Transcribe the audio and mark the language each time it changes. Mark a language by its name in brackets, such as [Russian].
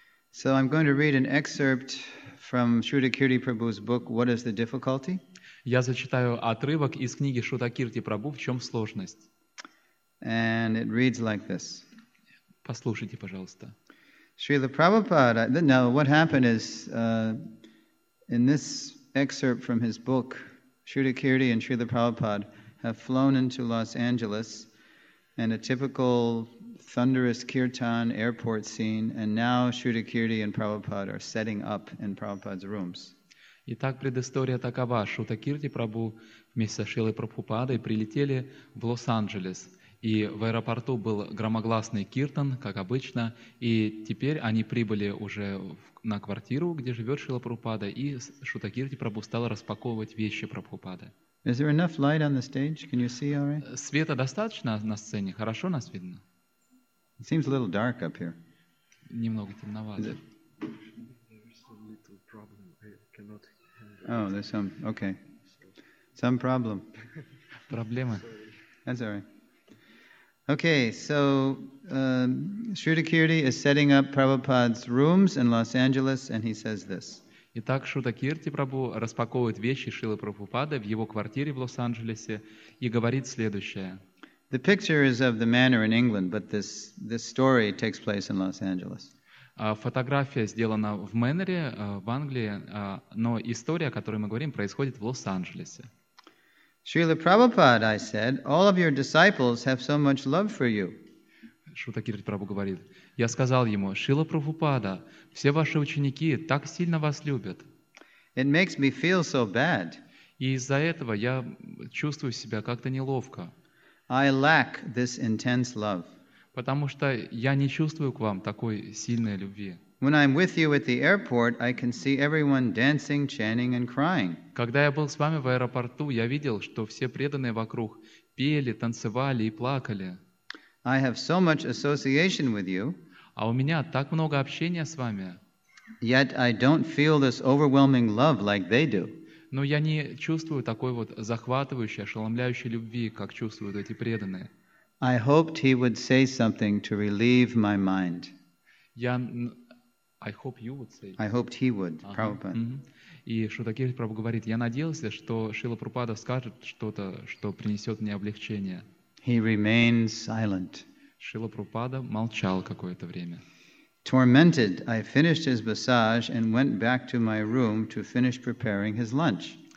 [English] So I'm going to read an excerpt from Shruta Kirti Prabhu's book, What is the Difficulty? [Russian] Я зачитаю отрывок из книги Шутакирти Прабху «В чем сложность?». [English] And it reads like this. [Russian] Послушайте, пожалуйста. [English] Srila Prabhupada, now what happened is in this excerpt from his book, Shrutakirti and Srila Prabhupada have flown into Los Angeles and a typical thunderous kirtan airport scene, and now Shrutakirti and Prabhupada are setting up in Prabhupada's rooms. [Russian] Итак, предыстория такова. Шрутакирти Прабху вместе с Шрилой Прабхупадой прилетели в Лос-Анджелес. И в аэропорту был громогласный киртан, как обычно, и теперь они прибыли уже на квартиру, где живет Шрила Прабхупада, и Шрутакирти Прабху стал распаковывать вещи Прабхупады. [English] Is there enough light on the stage? Can you see all right? [Russian] Света достаточно на сцене? Хорошо нас видно? [English] It seems a little dark up here. [Russian] Немного темновато. [English] There's a little problem. I cannot handle it. Oh, there's some, okay. Some problem. [Russian] Проблемы. [English] That's all right. Okay, so Shrutakirti is setting up Prabhupada's rooms in Los Angeles, and he says this. [Russian] Итак, Шрутакирти Прабху распаковывает вещи Шрилы Прабхупады в его квартире в Лос-Анджелесе и говорит следующее. [English] The picture is of the manor in England, but this story takes place in Los Angeles. [Russian] Фотография сделана в мэноре в Англии, но история, о которой мы говорим, происходит в Лос-Анджелесе. [English] Srila Prabhupada, I said, all of your disciples have so much love for you. [Russian] Шрутакирти Прабху говорит, я сказал ему, Шрила Прабхупада, все ваши ученики так сильно вас любят. [English] It makes me feel so bad. [Russian] И из-за этого я чувствую себя как-то неловко. [English] I lack this intense love. [Russian] Потому что я не чувствую к вам такой сильной любви. [English] When I'm with you at the airport, I can see everyone dancing, chanting, and crying. [Russian] Когда я был с вами в аэропорту, я видел, что все преданные вокруг пели, танцевали и плакали. [English] I have so much association with you. [Russian] А у меня так много общения с вами. [English] Yet I don't feel this overwhelming love like they do. [Russian] Но я не чувствую такой вот захватывающей, ошеломляющей любви, как чувствуют эти преданные. [English] I hoped he would say something to relieve my mind. I hope you would say. I hoped he would, Prabhupada. Mm-hmm. [Russian] И Шрутакирти Прабху говорит, я надеялся, что Шрила Прабхупада скажет что-то, что принесет мне облегчение. [English] He remained silent. [Russian] Шрила Прабхупада молчал какое-то время. [English] Tormented, I finished his massage and went back to my room to finish preparing his lunch.